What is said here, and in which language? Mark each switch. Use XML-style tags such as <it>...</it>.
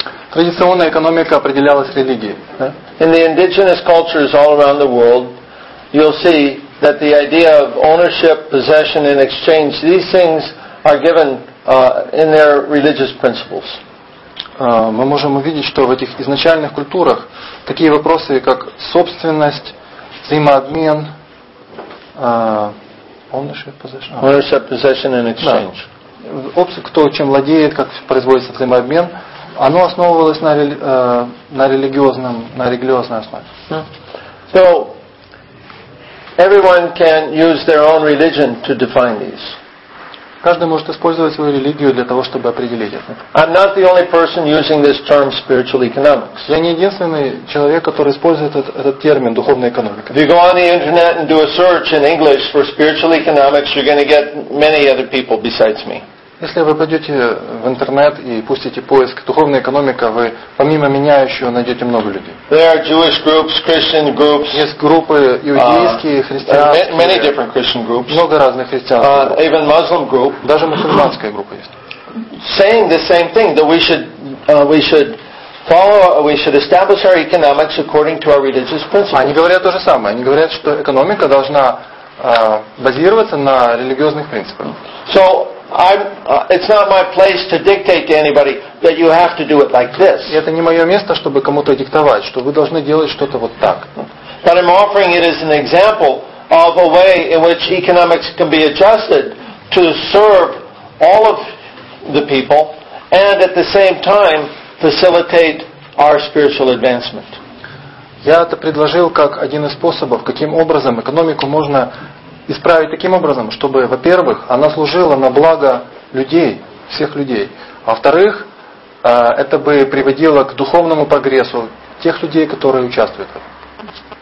<ru>Традиционная экономика определялась религией.</ru> <en>In the indigenous cultures all around the world, you'll see that the idea of ownership, possession, and exchange, these things are given in their religious principles.</en> <ru>Мы можем увидеть, что в этих изначальных культурах такие вопросы, как собственность, взаимообмен,</ru> <en>ownership, possession, and exchange.</en> <ru>Да. Кто чем владеет, как производится взаимообмен, оно основывалось на религиозной основе.</ru> <en>So everyone can use their own religion to define these.</en> <ru>Каждый может использовать свою религию для того, чтобы определить это.</ru> <en>I'm not the only person using this term spiritual economics.</en> <ru>Я не единственный человек, который использует этот термин духовная экономика.</ru> <en>If you go on the internet and do a search in English for spiritual economics, you're going to get many other people besides me.</en> <ru>Если вы пойдете в интернет и пустите поиск «духовная экономика», вы помимо меня еще найдете много людей.</ru> <en>There are Jewish groups, Christian groups.</en> <ru>Есть группы иудейские, христианские.</ru> <en>Many different Christian groups.</en> <ru>Много разных христиан.</ru> <en>Even Muslim group.</en> <ru>Даже мусульманская группа есть.</ru> <en>Saying the same thing that we should establish our economics according to our religious principles.</en> <ru>Они говорят то же самое. Они говорят, что экономика должна базироваться на религиозных принципах.</ru> <en>So it's not my place to dictate to anybody that you have to do it like this.</en> <ru>Это не мое место, чтобы кому-то диктовать, что вы должны делать что-то вот так.</ru> <en>But I'm offering it as an example of a way in which economics can be adjusted to serve all of the people and at the same time facilitate our spiritual advancement.</en> <ru>Я это предложил как один из способов, каким образом экономику можно исправить таким образом, чтобы, во-первых, она служила на благо людей, всех людей. А во-вторых, это бы приводило к духовному прогрессу тех людей, которые участвуют в этом.</ru>